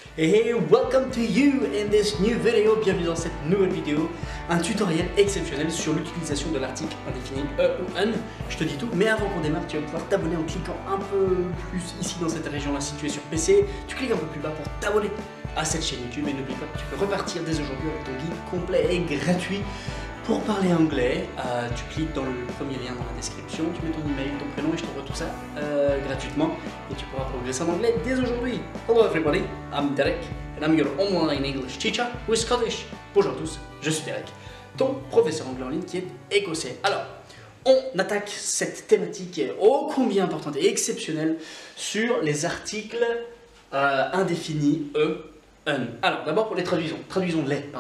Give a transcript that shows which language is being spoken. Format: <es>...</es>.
<en>Hey, welcome to you in this new video.</en> <fr>Bienvenue dans cette nouvelle vidéo, un tutoriel exceptionnel sur l'utilisation de l'article indéfini ou un. Je te dis tout, mais avant qu'on démarre, tu vas pouvoir t'abonner en cliquant un peu plus ici dans cette région là située sur PC. Tu cliques un peu plus bas pour t'abonner à cette chaîne YouTube et n'oublie pas que tu peux repartir dès aujourd'hui avec ton guide complet et gratuit. Pour parler anglais, tu cliques dans le premier lien dans la description, tu mets ton email, ton prénom et je t'envoie tout ça gratuitement et tu pourras progresser en anglais dès aujourd'hui.</fr> <en>Hello everybody, I'm Derek and I'm your online English teacher with Scottish.</en> <fr>Bonjour à tous, je suis Derek, ton professeur anglais en ligne qui est écossais. Alors, on attaque cette thématique ô combien importante et exceptionnelle sur les articles indéfinis e. Un. Alors, d'abord pour les traduisons. Traduisons-le.</fr>